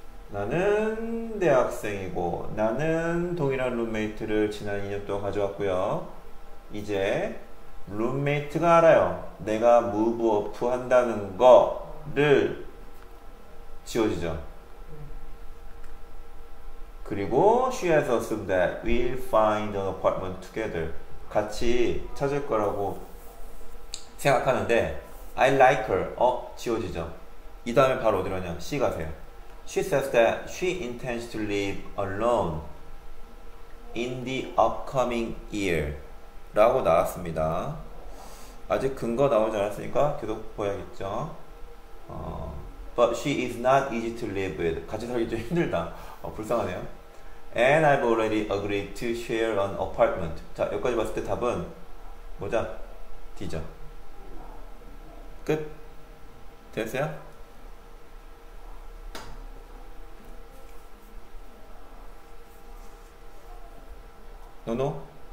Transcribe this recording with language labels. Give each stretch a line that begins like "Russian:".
Korean: 나는 대학생이고, 나는 동일한 룸메이트를 지난 2년 동안 가져왔고요. 이제 룸메이트가 알아요. 내가 무브 오프 한다는 거를 지워지죠. 그리고
English: she has assumed that we'll find an apartment together.
Korean: 같이 찾을 거라고 생각하는데,
English: I like her.
Korean: 지워지죠. 이 다음에 바로 어디로 가냐? C 가세요.
English: She says that she intends to live alone in the upcoming year.
Korean: 라고 나왔습니다. 아직 근거 나오지 않았으니까 계속 봐야겠죠.
English: But she is not easy to live with.
Korean: 같이 살기 좀 힘들다. 불쌍하네요.
English: And I've already agreed to share an apartment.
Korean: 자, 여기까지 봤을 때 답은 뭐죠? D죠. 끝. 됐어요? 노노?